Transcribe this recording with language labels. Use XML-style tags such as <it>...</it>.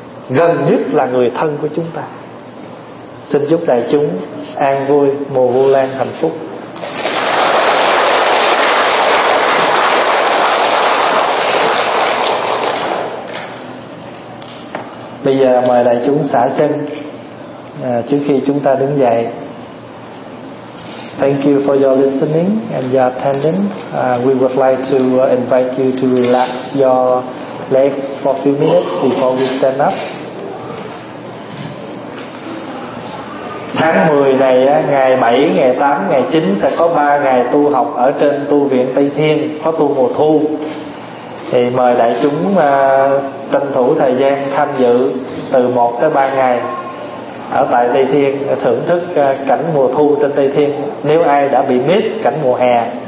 <vi>Gần nhất là người thân của chúng ta. Xin chúc đại chúng an vui, mùa Vu Lan hạnh phúc. Bây giờ mời đại chúng xả chân trước khi chúng ta đứng dậy.</vi> <en>Thank you for your listening and your attendance. We would like to invite you to relax your legs for a few minutes before we stand up.</en> <vi>Tháng 10 này, ngày 7, ngày 8, ngày 9 sẽ có 3 ngày tu học ở trên tu viện Tây Thiên, có tu mùa thu. Thì mời đại chúng tranh thủ thời gian tham dự từ 1 tới 3 ngày ở tại Tây Thiên, thưởng thức cảnh mùa thu trên Tây Thiên. Nếu ai đã bị miss cảnh mùa hè</vi>